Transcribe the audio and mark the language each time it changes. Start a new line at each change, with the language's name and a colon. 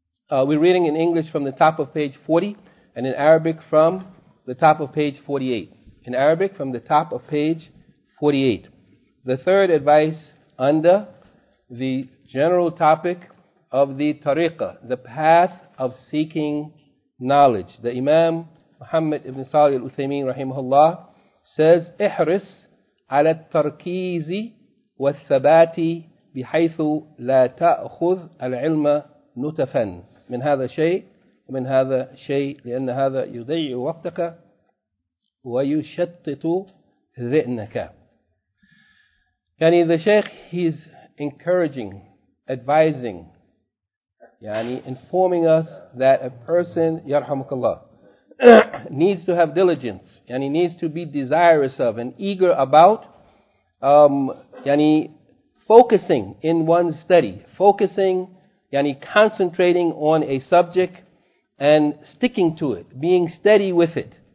English: We're reading in English from the top of page 40 and in Arabic from the top of page 48. In Arabic from the top of page 48. The third advice under the general topic of the tariqah, the path of seeking knowledge. The Imam Muhammad ibn Salih al-Uthaymeen rahimahullah says,
Arabic: احرس على التركيز والثبات بحيث لا تأخذ العلم نتفا من هذا شيء ومن هذا شيء لأن هذا يضيع وقتك وَيُشَطِّتُ ذِئْنَكَ.
English: Yani the Shaykh, he's encouraging, advising, yani informing us that a person, yarhamukallah, needs to have diligence, yani needs to be desirous of and eager about, yani focusing in one's study, focusing, yani concentrating on a subject and sticking to it, being steady with it.